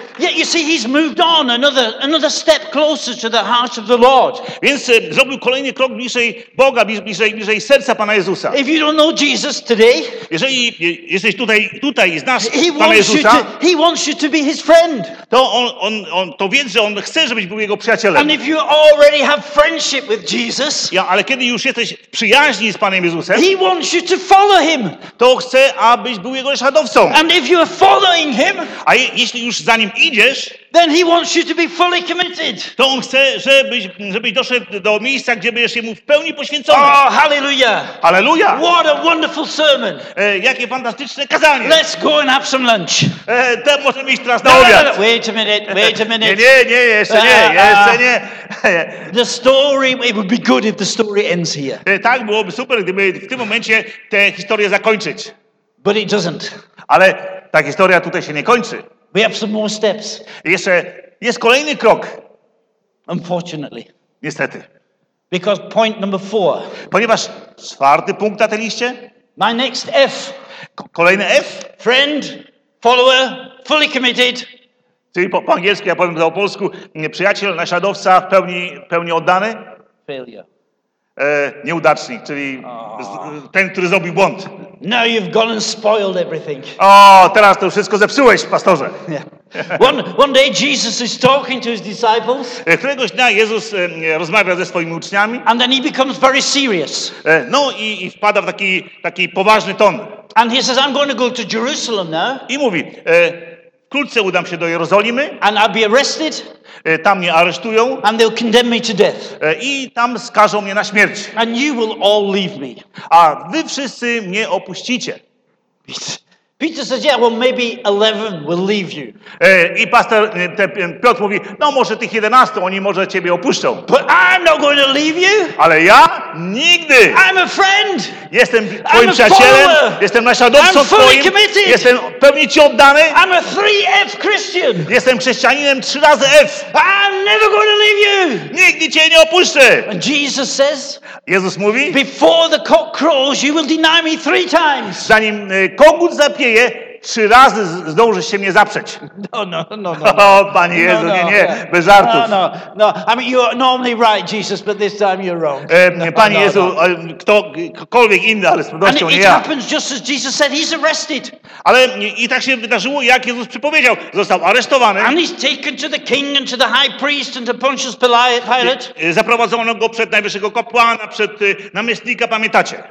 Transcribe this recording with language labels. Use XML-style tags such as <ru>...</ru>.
<en>Yet you see, he's moved on another step closer to the heart of the Lord.</en> <pl>Więc zrobił kolejny krok bliżej Boga, bliżej serca Pana Jezusa.</pl> <en>If you don't know Jesus today,</en> <pl>jeżeli jesteś tutaj i znasz Pana Jezusa,</pl> <en>he wants you to be his friend.</en> <pl>To on to wie, że on chce, żebyś był jego przyjacielem.</pl> <en>And if you already have friendship with Jesus,</en> <pl>ja, ale kiedy już jesteś w przyjaźni z Panem Jezusem,</pl> <en>he wants you to follow him.</en> <pl>To chce, abyś był jego naśladowcą.</pl> <en>And if you are following him,</en> <pl>a jeśli już za nim idziesz,</pl> <en>then he wants you to be fully committed.</en> <pl>To on chce, żebyś doszedł do miejsca, gdzie będziesz jemu w pełni poświęcony.</pl> <en>Oh, hallelujah.</en> <pl>Hallelujah.</pl> <en>What a wonderful sermon.</en> <pl>Jakie fantastyczne kazanie.</pl> <en>Let's go and have some lunch.</en> <pl>To możemy iść teraz na obiad.</pl> <en>No. Wait a minute.</en> <pl>Nie, jeszcze nie.</pl> <en>The story, it would be good if the story ends here.</en> <pl>Tak, byłoby super, gdyby w tym momencie tę historię zakończyć.</pl> <en>But it doesn't.</en> <pl>Ale ta historia tutaj się nie kończy.</pl> <en>We have some more steps.</en> <pl>Jeszcze jest kolejny krok.</pl> <en>Unfortunately.</en> <pl>Niestety.</pl> <en>Because point number four.</en> <pl>Ponieważ czwarty punkt na tej liście.</pl> <en>My next F.</en> <pl>Kolejny F.</pl> <en>Friend, follower, fully committed.</en> <pl>Czyli po angielsku, ja powiem to po polsku. Przyjaciel, naśladowca, w pełni oddany.</pl> <en>Failure.</en> <pl>Nieudacznik, czyli ten, który zrobił błąd.</pl> <en>Now you've gone and spoiled everything.</en> <pl>O, teraz to wszystko zepsułeś, pastorze.</pl> <en>Yeah. One day Jesus is talking to his disciples.</en> <pl>Któregoś dnia Jezus rozmawia ze swoimi uczniami.</pl> <en>And then he becomes very serious.</en> <pl>No i wpada w taki poważny ton.</pl> <en>And he says, I'm going to go to Jerusalem now.</en> <pl>I mówi, wkrótce udam się do Jerozolimy.</pl> <en>And I'll be arrested.</en> <pl>Tam mnie aresztują.</pl> <en>And they'll condemn me to death.</en> <pl>I tam skażą mnie na śmierć.</pl> <en>And you will all leave me.</en> <pl>A wy wszyscy mnie opuścicie.</pl> <en>Peter says, yeah, well, maybe 11 will leave you.</en> <pl>I pastor Piotr mówi, no może tych 11, oni może ciebie opuszczą.</pl> <en>But I'm not going to leave you.</en> <pl>Ale ja? Nigdy.</pl> <en>I'm a friend.</en> <pl>Jestem twoim przyjacielem. Jestem naśladowcą twoim. Jestem pełni ci oddany.</pl> <en>I'm a 3F Christian.</en> <pl>Jestem chrześcijaninem 3 razy F.</pl> <en>I'm never going to leave you.</en> <pl>Nigdy cię nie opuszczę.</pl> <en>And Jesus says,</en> <pl>Jezus mówi,</pl> <en>before the cock crows, you will deny me 3 times.</en> <pl>Zanim kogut zapieje, 3 razy zdąży się mnie zaprzeć.</pl> <en>No.</en> <pl>O, Panie Jezu, nie, bez żartów.</pl> <en>No. I mean, you are normally right, Jesus, but this time you're wrong.</en> <pl>Panie Jezu. Ktokolwiek inny, ale z pewnością</pl> <en>and</en> <pl>ja.</pl> <en>It happens just as Jesus said, he's arrested.</en> <pl>Ale i tak się wydarzyło, jak Jezus przypowiedział. Został aresztowany.</pl> <en>And he's taken to the king and to the high priest and to Pontius Pilate.</en> <pl>Zaprowadzono go przed najwyższego kapłana, przed namiestnika, pamiętacie?</pl>